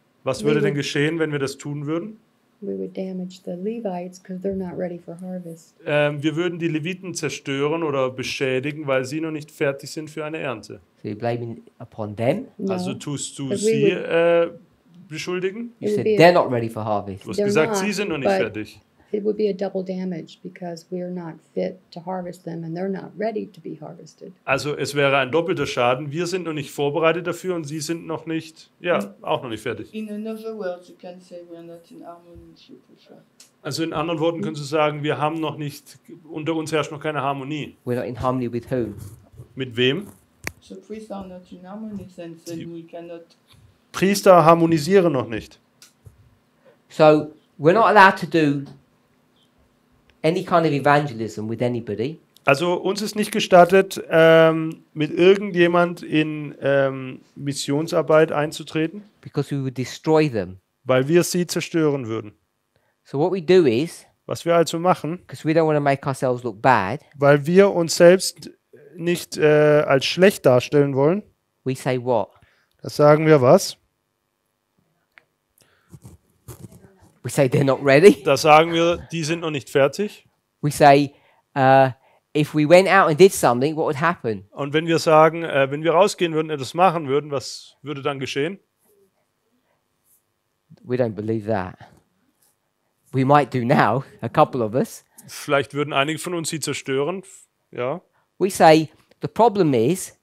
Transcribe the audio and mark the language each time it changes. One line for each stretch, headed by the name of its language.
German: Was würde denn geschehen, wenn wir das tun würden?
English: We would damage the Levites because they're not ready for harvest.
German: Wir würden die Leviten zerstören oder beschädigen, weil sie noch nicht fertig sind für eine Ernte.
English: So you're blaming upon them?
German: Also tust du sie beschuldigen?
English: You said they're not ready for harvest.
German: Du hast gesagt, sie sind noch nicht fertig.
English: It would be a double damage because we're not fit to harvest them and they're not ready to be harvested.
German: Also es wäre ein doppelter Schaden. Wir sind noch nicht vorbereitet dafür und sie sind noch nicht, ja, auch noch nicht fertig.
English: In another word, you can say we're not in harmony with you, Pusha.
German: Also in anderen Worten kannst du sagen, wir haben noch nicht, unter uns herrscht noch keine Harmonie.
English: We're not in harmony with whom?
German: Mit wem?
English: So priests are not in harmony, since then we cannot...
German: Priester harmonisieren noch nicht.
English: So we're not allowed to do any kind of evangelism with anybody.
German: Also uns ist nicht gestattet, mit irgendjemand in Missionsarbeit einzutreten.
English: Because we would destroy them.
German: Weil wir sie zerstören würden.
English: So what we do is.
German: Was wir also machen.
English: Because we don't want to make ourselves look bad.
German: Weil wir uns selbst nicht als schlecht darstellen wollen.
English: We say what?
German: Das sagen wir was?
English: We say they're not ready.
German: Da sagen wir, die sind noch nicht fertig.
English: We say, if we went out and did something, what would happen?
German: Und wenn wir sagen, wenn wir rausgehen würden, etwas machen würden, was würde dann geschehen?
English: We don't believe that. We might do now, a couple of us.
German: Vielleicht würden einige von uns sie zerstören, ja.
English: We say, the problem is.